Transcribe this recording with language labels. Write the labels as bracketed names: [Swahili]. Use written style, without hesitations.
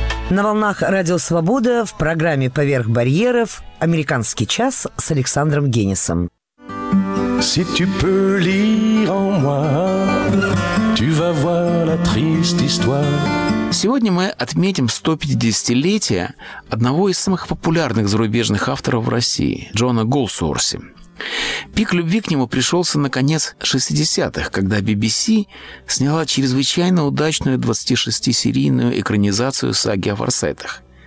[Russian] На волнах «Радио Свобода» в программе «Поверх барьеров» «Американский час» с Александром Генисом. [French] Si tu peux lire en moi, tu vas voir la triste histoire. [Russian] Сегодня мы отметим 150-летие одного из самых популярных зарубежных авторов в России – Джона Голдсуорси. Пик любви к нему пришелся на конец 60-х, когда BBC сняла чрезвычайно удачную 26-серийную экранизацию саги о Форсайтах.